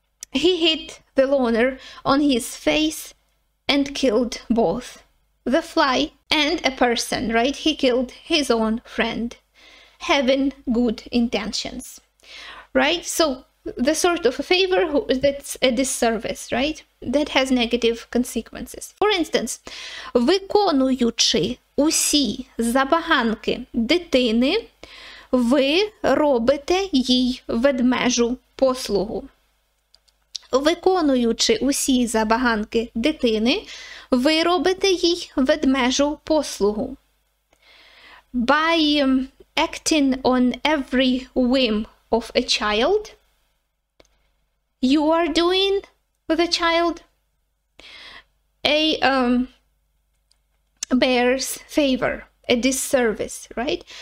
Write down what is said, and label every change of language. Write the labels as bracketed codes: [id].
[en] He hit the loner on his face and killed both the fly and a person, right? He killed his own friend, having good intentions, right? So the sort of a favor that's a disservice, right? That has negative consequences. For instance, [uk] виконуючи усі забаганки дитини, ви робите їй ведмежу послугу. Виконуючи усі забаганки дитини, ви робите їй ведмежу послугу. [en] By acting on every whim of a child, you are doing the child a bear's favor, a disservice, right?